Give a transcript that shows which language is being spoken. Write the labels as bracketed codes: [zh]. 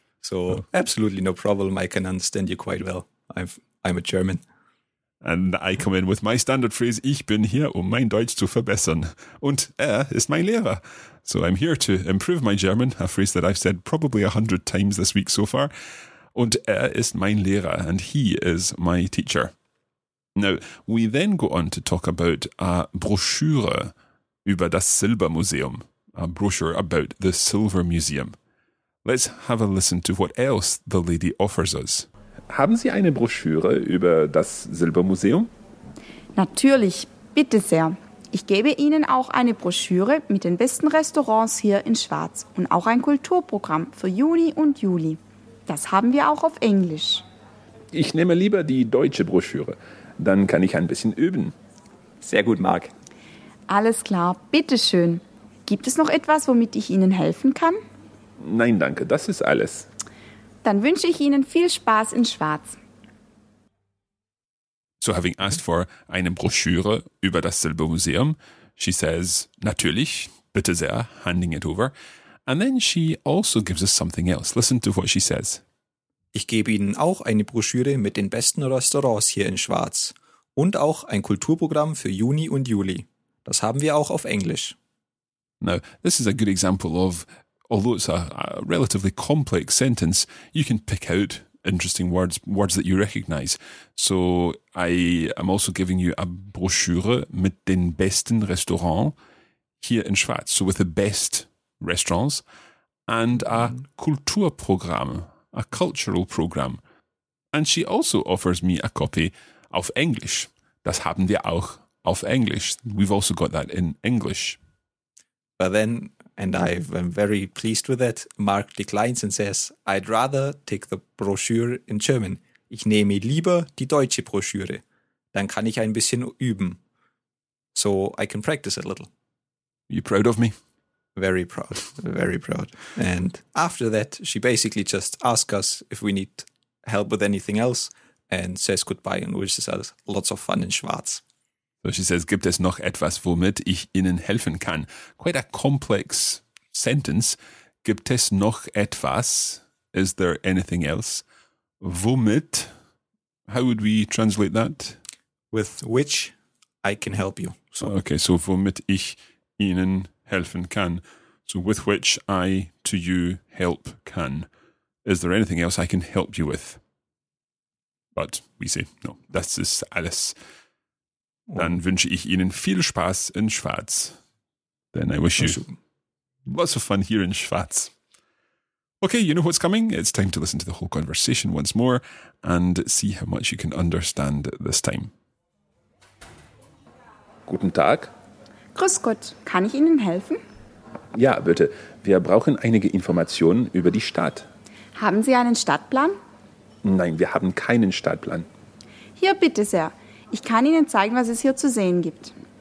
[en] So, absolutely no problem, I can understand you quite well. I'm a German. And I come in with my standard phrase, [de] ich bin hier, um mein Deutsch zu verbessern. Und er ist mein Lehrer. [en] So I'm here to improve my German, a phrase that I've said probably 100 times this week so far. [de] Und er ist mein Lehrer, [en] and he is my teacher. Now, we then go on to talk about a brochure [de] über das Silbermuseum, [en] a brochure about the Silver Museum. Let's have a listen to what else the lady offers us. [de] Haben Sie eine Broschüre über das Silbermuseum? Natürlich, bitte sehr. Ich gebe Ihnen auch eine Broschüre mit den besten Restaurants hier in Schwaz und auch ein Kulturprogramm für Juni und Juli. Das haben wir auch auf Englisch. Ich nehme lieber die deutsche Broschüre. Dann kann ich ein bisschen üben. Sehr gut, Marc. Alles klar, bitteschön. Gibt es noch etwas, womit ich Ihnen helfen kann? Nein, danke, das ist alles. Dann wünsche ich Ihnen viel Spaß in Schwarz. [en] So having asked for [de] eine Broschüre über das Silbermuseum, [en] she says, [de] natürlich, bitte sehr, [en] handing it over. And then she also gives us something else. Listen to what she says. [de] Ich gebe Ihnen auch eine Broschüre mit den besten Restaurants hier in Schwarz und auch ein Kulturprogramm für Juni und Juli. Das haben wir auch auf Englisch. [en] Now, this is a good example of, although it's a relatively complex sentence, you can pick out interesting words, words that you recognize. So I am also giving you a brochure [de] mit den besten Restaurants hier in Schwarz. [en] So with the best restaurants and a Kulturprogramm, a cultural program. And she also offers me a copy [de] auf Englisch. Das haben wir auch auf Englisch. [en] We've also got that in English. But then, and I'm very pleased with it, Mark declines and says, I'd rather take the brochure in German. [de] Ich nehme lieber die deutsche Broschüre. Dann kann ich ein bisschen üben. [en] So I can practice a little. Are you proud of me? Very proud, very proud. And after that, she basically just asks us if we need help with anything else and says goodbye and wishes us lots of fun in Schwarz. So she says, [de] gibt es noch etwas, womit ich Ihnen helfen kann? [en] Quite a complex sentence. [de] Gibt es noch etwas? [en] Is there anything else? Womit? How would we translate that? With which I can help you. So. [de] Okay, so womit ich Ihnen helfen kann. [en] So with which I to you help can. Is there anything else I can help you with? But we say no. [de] Das ist alles. Dann wünsche ich Ihnen viel Spaß in Schwarz. [en] Then I wish you lots of fun here in Schwarz. Okay, you know what's coming. It's time to listen to the whole conversation once more and see how much you can understand this time. [de] Guten Tag. Grüß Gott, kann ich Ihnen helfen? Ja, bitte. Wir brauchen einige Informationen über die Stadt. Haben Sie einen Stadtplan? Nein, wir haben keinen Stadtplan. Hier, bitte sehr. Ich kann Ihnen zeigen, was es hier zu sehen gibt.